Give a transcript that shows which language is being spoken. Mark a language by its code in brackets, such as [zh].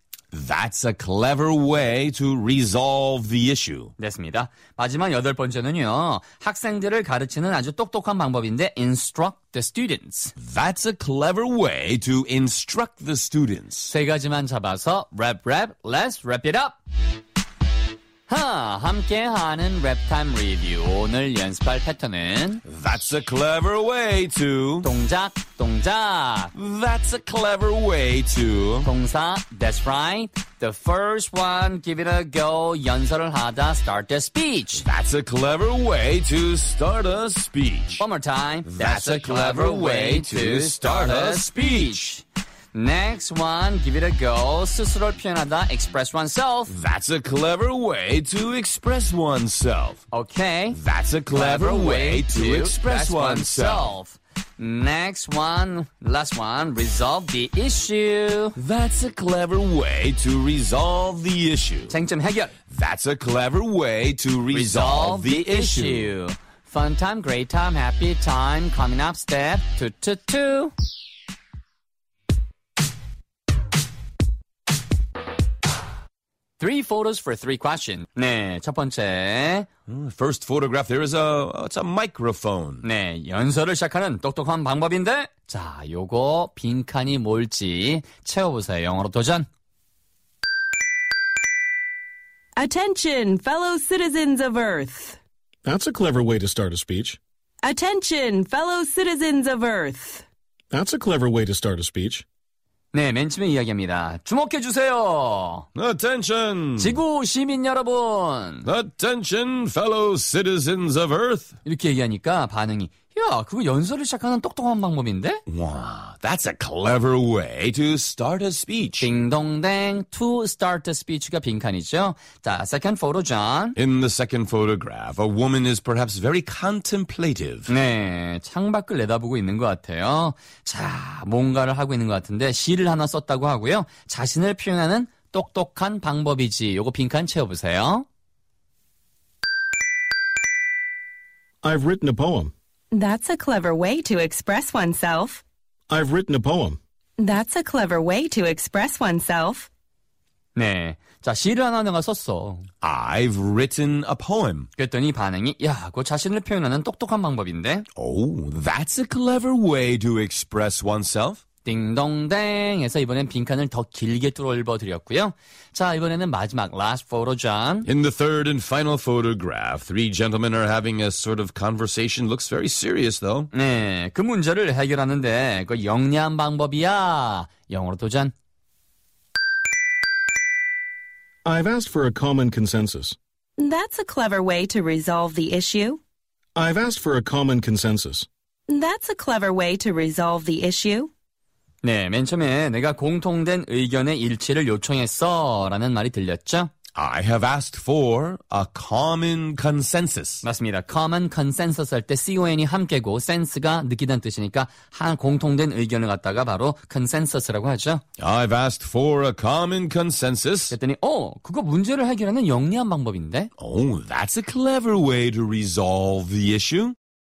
[en] That's a clever way to resolve the issue. [ko] 됐습니다. 마지막 여덟 번째는요. 학생들을 가르치는 아주 똑똑한 방법인데 [en] instruct the students. That's a clever way to instruct the students. [ko] 세 가지만 잡아서 랩 랩, [en] let's wrap it up. [ko] 하, 함께하는 랩타임 리뷰. 오늘 연습할 패턴은 [en] That's a clever way to [ko] 동작, 동작 [en] That's a clever way to [ko] 동사, [en] that's right The first one, give it a go [ko] 연설을 하다, [en] start a speech That's a clever way to start a speech One more time That's a clever way to start a speech Next one, give it a go. [ko] 스스로를 표현하다, [en] express oneself. That's a clever way to express oneself. Okay. That's a clever, clever way to express oneself. Next one, last one, resolve the issue. That's a clever way to resolve the issue. [ko] 쟁점 해결. [en] That's a clever way to resolve the issue. Fun time, great time, happy time. Coming up, step 2, 2, 2. Three photos for three questions. [ko] 네, 첫 번째. [en] First photograph, there is a, it's a microphone. [ko] 네, 연설을 시작하는 똑똑한 방법인데. 자, 요거 빈칸이 뭘지 채워보세요. 영어로 도전. [en] Attention, fellow citizens of Earth. That's a clever way to start a speech. Attention, fellow citizens of Earth. That's a clever way to start a speech. [ko] 네, 맨 처음에 이야기합니다. 주목해 주세요. [en] Attention. [ko] 지구 시민 여러분. [en] Attention, fellow citizens of Earth. [ko] 이렇게 얘기하니까 반응이 야, 그거 연설을 시작하는 똑똑한 방법인데? [en] 와, that's a clever way to start a speech. [ko] 딩동댕, [en] to start a speech [ko] 가 빈칸이죠. [en] 자, second photo, John. In the second photograph, a woman is perhaps very contemplative. [ko] 네, 창밖을 내다보고 있는 것 같아요. 자, 뭔가를 하고 있는 것 같은데 시를 하나 썼다고 하고요. 자신을 표현하는 똑똑한 방법이지. 요거 빈칸 채워보세요. [en] I've written a poem. That's a clever way to express oneself. I've written a poem. That's a clever way to express oneself. [ko] 네. 자, 시를 하나 내가 썼어. [en] I've written a poem. [ko] 그랬더니 반응이, 야, 그거 자신을 표현하는 똑똑한 방법인데. [en] Oh, that's a clever way to express oneself. [ko] 딩동댕 해서 이번엔 빈칸을 더 길게 뚫어 드렸고요. 자, 이번에는 마지막 [en] last photo, [ko] John. [en] In the third and final photograph, three gentlemen are having a sort of conversation. Looks very serious, though. [ko] 네, 그 문제를 해결하는데 그 영리한 방법이야. 영어로 도전. [en] I've asked for a common consensus. That's a clever way to resolve the issue. I've asked for a common consensus. That's a clever way to resolve the issue. [ko] 네, 맨 처음에 내가 공통된 의견의 일치를 요청했어 라는 말이 들렸죠. [en] I have asked for a common consensus. [ko] 맞습니다. Common consensus 할 때 C-O-N이 함께고 sense가 느끼다는 뜻이니까 한 공통된 의견을 갖다가 바로 consensus라고 하죠. [en] I've asked for a common consensus. [ko] 그랬더니 그거 문제를 해결하는 영리한 방법인데. [en] Oh, that's a clever way to resolve the issue.